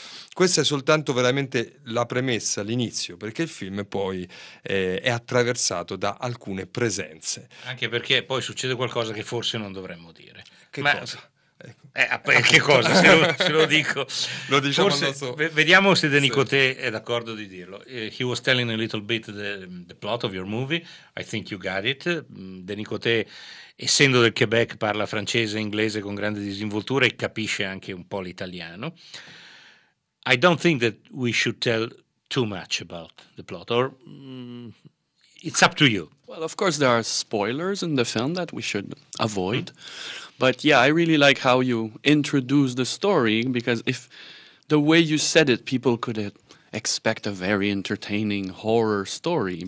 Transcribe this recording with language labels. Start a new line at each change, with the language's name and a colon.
Italian: Questa è soltanto veramente la premessa, l'inizio, perché il film poi è attraversato da alcune presenze. Anche perché poi succede qualcosa che forse non dovremmo dire. Che cosa? Se lo dico, lo diciamo, forse, non lo so. Vediamo se Denis Coté è d'accordo di dirlo.
English: He was telling a little bit the plot of your movie. I think you got it.
Italian: Denis Coté, essendo del Quebec, parla francese e inglese con grande disinvoltura e capisce anche un po' l'italiano.
English: I don't think that we should tell too much about the plot. It's up to you. Well, of course, there are spoilers in the film that we should avoid. Mm-hmm. But yeah, I really like how you introduce the story, because if the way you said it, people could expect a very entertaining horror story.